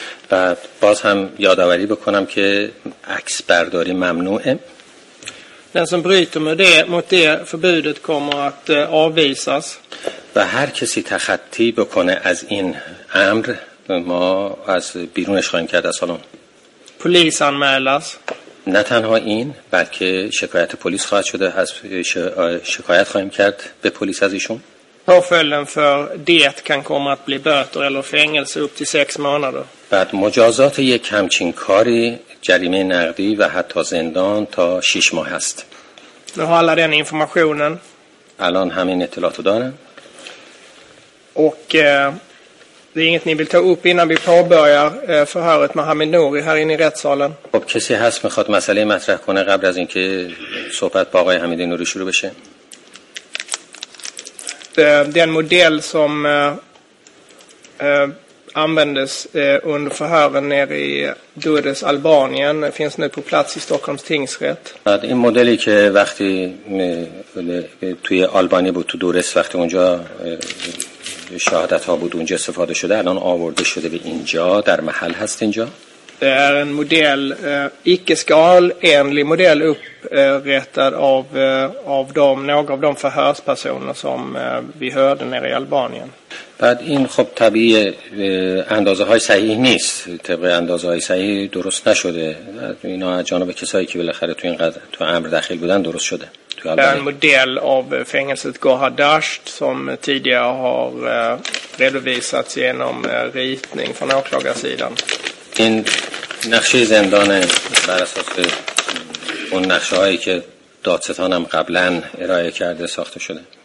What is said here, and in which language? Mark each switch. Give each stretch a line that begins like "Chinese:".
Persian: و باز هم یادآوری بکنم که عکس برداری ممنوعه.
Swedish: Den som bryter med det, mot det förbudet kommer att avvisas.
Persian: و هر کسی تخطی بکنه از این امر ما از بیرونش خواهیم کرد از سالن.
Swedish: پلیس انمیلاس.
Persian: نه تنها این بلکه شکایت پلیس خواهد شده از شکایت خواهیم کرد به پلیس از ایشون.
Swedish: Påföljden för det kan komma att bli böter eller fängelse upp till 6 månader.
Persian: بعد مجازات یک همچین کاری جریمه نقدی و حتی زندان تا 6 ماه است.
Swedish: Nu har alla den informationen.
Persian: الان همین اطلاعات رو دارم.
Swedish: Och det är inget ni vill ta upp innan vi påbörjar förhöret med Hamid Nouri här inne i rättssalen.
Persian: خب کسی هست میخواد مسئله مطرح کنه قبل از اینکه صحبت با آقای حمید نوری شروع بشه؟
Swedish: Den modell som användes under förhören nere i Durres Albanien finns nu på plats i Stockholms tingsrätt.
Persian: بعد این مدلی که وقتی توی آلبانی بود تو دورس وقتی اونجا شهادت ها بود اونجا استفاده شده الان آورده شده به اینجا در محل هست اینجا.
Swedish: Det är en modell icke-skalenlig modell upprättad av de några av de förhörspersoner som vi hörde nere i Albanien.
Persian: بعد این خب طبیعی اندازه های صحیح نیست. طبق اندازه های صحیح درست نشده. اینا از جانب کسایی که بالاخره تو این قدر تو امر داخل بودن درست شده.
Swedish: Det är en modell av fängelset Gohardasht som tidigare har redovisats genom ritning från åklagarsidan.
Persian: این نقشه زندان بر اساس اون نقشه هایی که دادستان هم قبلا ارائه کرده ساخته شده.